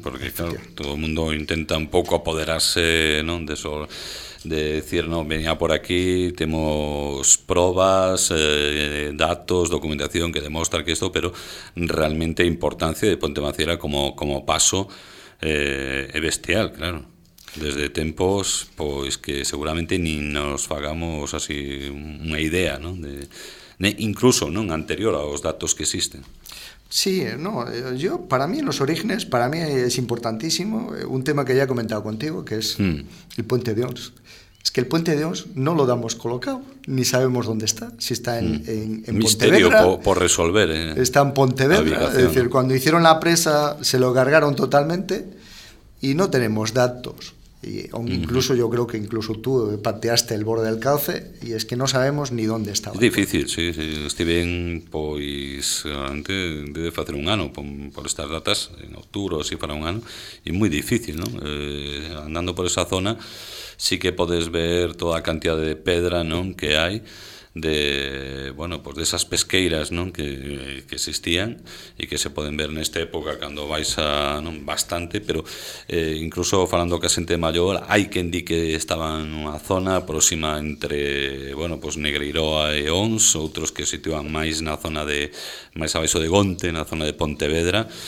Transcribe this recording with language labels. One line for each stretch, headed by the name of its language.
Spanish: Porque claro, todo el mundo intenta un poco apoderarse, ¿no?, de eso, de decir, no, venía por aquí, tenemos pruebas, datos, documentación que demuestra que esto, pero realmente importancia de Pontemaciera como paso es bestial, claro.
Galician: desde tempos pois que seguramente ni nos fagamos así unha idea, ¿no? Incluso, ¿no?, anterior aos datos que existen.
Spanish: Sí, no, yo para mí los orígenes, para mí es importantísimo un tema que ya he comentado contigo, que es el Puente de Ons. Es que el Puente de Ons no lo damos colocado, ni sabemos dónde está, si está en Misterio Pontevedra. Misterio por resolver. Está en Pontevedra, es decir, cuando hicieron la presa se lo cargaron totalmente y no tenemos datos. Y incluso yo creo que incluso tú pateaste el borde del cauce y es que no sabemos ni dónde estaba. Es difícil, sí, sí. Estiven, pues, antes de hacer un año, por estas datas, en octubre o así para un año, y muy difícil, ¿no?
Galician: Andando por esa zona sí que podes ver toda a cantidad de pedra, ¿no?, que hai de, bueno, pues de esas pesqueiras, ¿no?, que existían e que se poden ver nesta época cando vais a, ¿no?, bastante, pero incluso falando que a xente maior hai quen di que estaban unha zona próxima entre, bueno, pues Negreiroa e Ons, outros que sitúan máis na zona de máis abaixo de Gonte, na zona de Pontevedra.